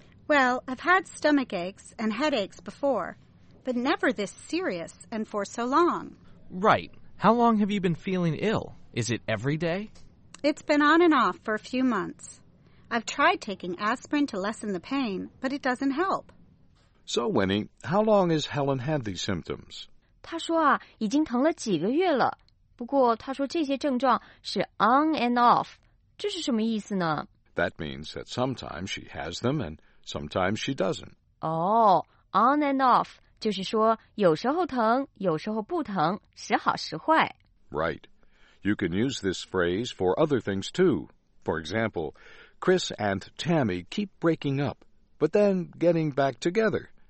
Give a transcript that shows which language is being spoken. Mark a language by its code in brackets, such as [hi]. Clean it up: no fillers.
[en] Well, I've had stomach aches and headaches before, but never this serious and for so long. Right. How long have you been feeling ill? Is it every day? It's been on and off for a few months. I've tried taking aspirin to lessen the pain, but it doesn't help. So, Winnie, how long has Helen had these symptoms? [zh] 她说啊，已经疼了几个月了。不过她说这些症状是 [en] on and off。 [zh] 这是什么意思呢? [en] That means that sometimes she has them and sometimes she doesn't. On and off, [zh] 就是说有时候疼,有时候不疼,时好时坏。 [en] Right. You can use this phrase for other things too. For example, Chris and Tammy keep breaking up, but then getting back together.